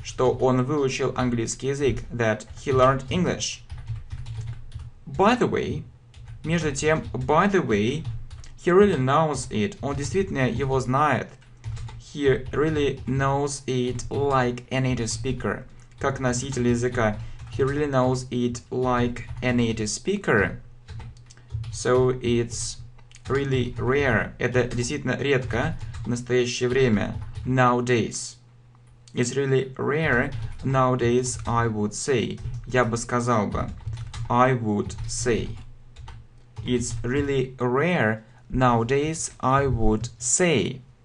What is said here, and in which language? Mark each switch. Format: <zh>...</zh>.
<ru>Что он выучил английский язык.</ru> <en>That he learned English. By the way,</en> <ru>между тем,</ru> <en>by the way, he really knows it.</en> <ru>Он действительно его знает.</ru> <en>He really knows it like a native speaker.</en> <ru>Как носитель языка.</ru> <en>He really knows it like a native speaker. So it's really rare.</en> <ru>Это действительно редко в настоящее время.</ru> <en>Nowadays. It's really rare nowadays, I would say.</en> <ru>Я бы сказал бы.</ru> <en>I would say. It's really rare nowadays, I would say.</en>